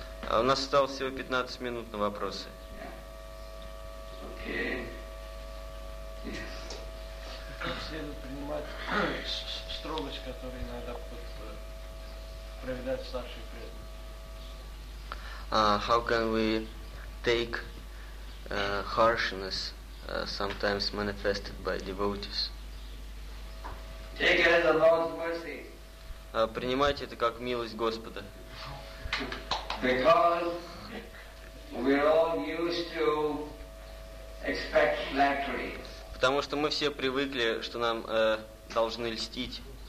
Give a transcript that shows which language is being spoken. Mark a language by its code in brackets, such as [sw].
[ru] А у нас осталось всего 15 минут на вопросы. [en] Yeah. Okay. Yes. [ru] Как следует принимать строгость, которую иногда проявляют старшие преданные? [en] How can we take harshness sometimes manifested by devotees? Take it as the Lord's mercy. [ru] Принимайте это как милость Господа. [en] Because we're all used to expect flattery. [ru] Потому что мы все привыкли, что нам должны льстить.